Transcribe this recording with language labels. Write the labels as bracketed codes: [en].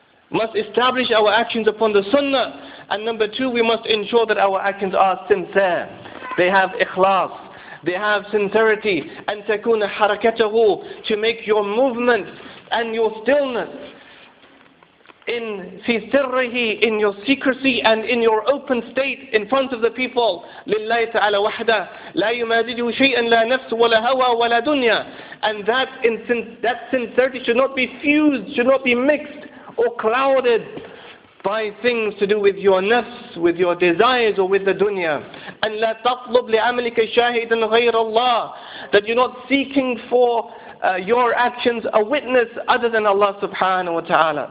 [en] Must establish our actions upon the sunnah. And number two, we must ensure that our actions are sincere. They have ikhlas. They have sincerity. And [ar] تكون حركته, [en] to make your movement and your stillness in [ar] في سره, [en] in your secrecy and in your open state in front of the people. [ar] لله تعالى وحده لا يمازجه شيئا لا نفس ولا هوى ولا دنيا. [en] And that sincerity should not be fused, should not be mixed or clouded by things to do with your nafs, with your desires, or with the dunya. And [ar] لا تطلب لعملك شاهدا غير الله, [en] that you're not seeking for your actions a witness other than Allah subhanahu wa ta'ala.